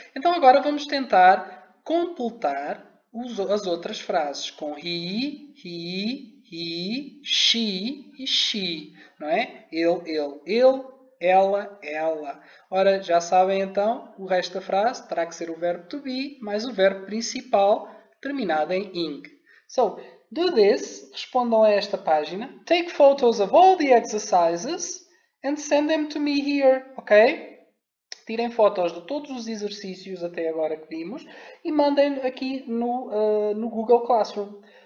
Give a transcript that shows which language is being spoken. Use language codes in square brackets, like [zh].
[pt] Então, agora vamos tentar completar as outras frases com he, he, he, she e she, não é? Ele, ele, ele, ela, ela. Ora, já sabem então, o resto da frase terá que ser o verbo to be mais o verbo principal terminado em ing. [en] So, do this, [pt] respondam a esta página. [en] Take photos of all the exercises and send them to me here, ok? [pt] Tirem fotos de todos os exercícios até agora que vimos e mandem aqui no, no Google Classroom.